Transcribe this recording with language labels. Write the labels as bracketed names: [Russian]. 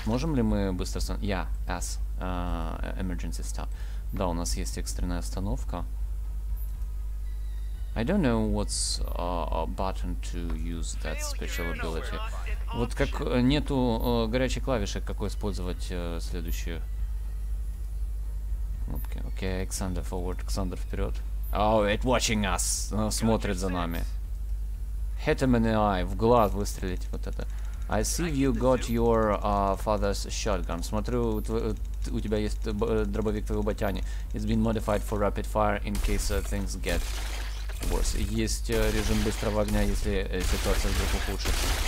[Russian] Можем ли мы быстро остановить? [English] Yeah, S. Emergency stop. [Russian] Да, у нас есть экстренная остановка. [English] I don't know what's a button to use that special ability. [Russian] Вот как нету горячей клавиши, как использовать следующую кнопку. [English] Okay, Alexander forward. Alexander [Russian] вперед. [English] Oh, it watching us. [Russian] Смотрит за нами. [English] Hit him in the eye, [Russian] в глаз выстрелить, вот это. [English] I see you got your father's shotgun. [Russian] Смотрю, у тебя есть дробовик твоего батяни. [English] It's been modified for rapid fire in case things get worse. [Russian] Есть режим быстрого огня, если ситуация вдруг ухудшится.